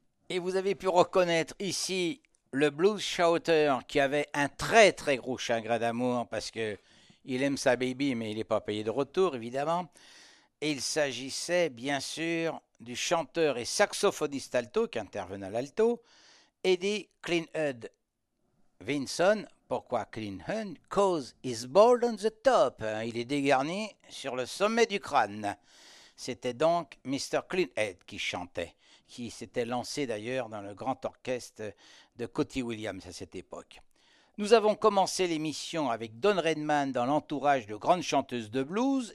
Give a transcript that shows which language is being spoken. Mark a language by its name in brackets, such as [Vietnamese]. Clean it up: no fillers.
[French] Et vous avez pu reconnaître ici le blues shouter qui avait un très très gros chagrin d'amour parce que il aime sa baby mais il n'est pas payé de retour évidemment. Et il s'agissait bien sûr du chanteur et saxophoniste alto qui intervenait à l'alto, Eddie Cleanhead Vinson. Pourquoi Cleanhead? [English] Cause he's bald on the top. [French] Il est dégarni sur le sommet du crâne. C'était donc Mr. Cleanhead qui chantait, qui s'était lancé d'ailleurs dans le grand orchestre de Cootie Williams à cette époque. Nous avons commencé l'émission avec Don Redman dans l'entourage de grandes chanteuses de blues.